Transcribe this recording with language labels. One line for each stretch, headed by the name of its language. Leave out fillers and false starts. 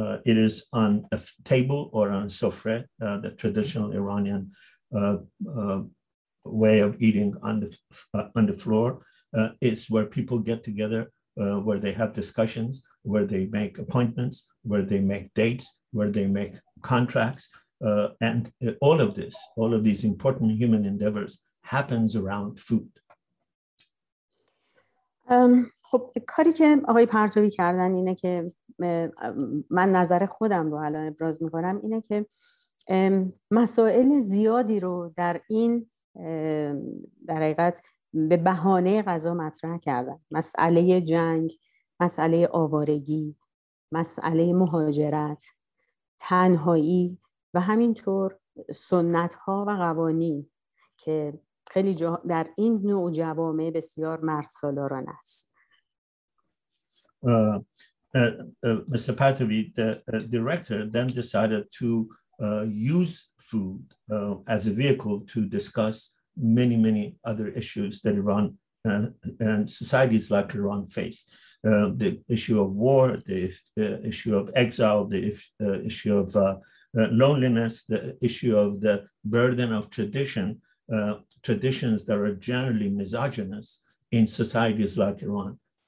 English: It is on a table or on a sofra, the traditional Iranian way of eating on the floor. It's where people get together where they have discussions, where they make appointments, where they make dates, where they make contracts. And all of this, all of these important human endeavors happens around food.
Persian: خب کاری که آقای پرتوی کردن اینه که من نظر خودم رو الان ابراز میکنم اینه که مسائل زیادی رو در این در حقیقت به بهانه غذا مطرح کردن، مسئله جنگ، مسئله آوارگی، مسئله مهاجرت، تنهایی و همینطور سنت ها و قوانی که خیلی جا در این نوع جوامع بسیار مردسالاران است.
English: Mr. Partovi, the director, then decided to use food as a vehicle to discuss many, many other issues that Iran and societies like Iran face. The issue of war, the issue of exile, the issue of loneliness, the issue of the burden of tradition, traditions that are generally misogynous in societies like Iran.